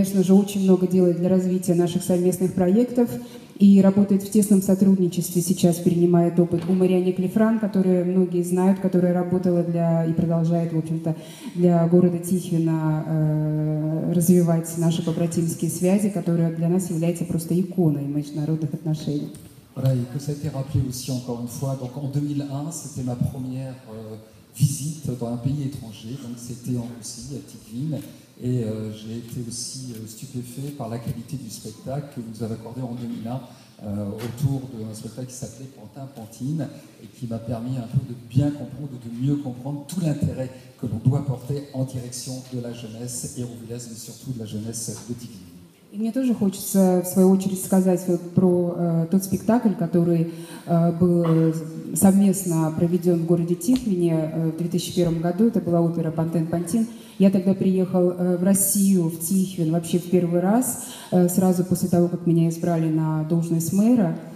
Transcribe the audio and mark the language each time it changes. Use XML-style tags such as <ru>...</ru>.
<ru>Очень много делает для развития наших совместных проектов и работает в тесном сотрудничестве, сейчас перенимает опыт у Мариани Клефран, которую многие знают, которая работала для и продолжает, в общем-то, для города Тихвина развивать наши побратимские связи, которые для нас являются просто иконой международных отношений. Да, и как это</ru> <fr>rappelé aussi encore une fois, donc en 2001, c'était ma première visite dans un pays étranger, donc c'était en Russie, à Tikhvin. Et j'ai été aussi stupéfait par la qualité du spectacle que vous avez accordé en 2001 autour d'un spectacle qui s'appelait Pantin Pantine et qui m'a permis un peu de bien comprendre ou de mieux comprendre tout l'intérêt que l'on doit porter en direction de la jeunesse hérouvillaise, mais surtout de la jeunesse de Tiquilin.</fr> <ru>И мне тоже хочется, в свою очередь, сказать про тот спектакль, который был совместно проведен в городе Тихвине в 2001 году. Это была опера «Пантен Пантин». Я тогда приехал в Россию, в Тихвин, вообще в первый раз, сразу после того, как меня избрали на должность мэра.</ru>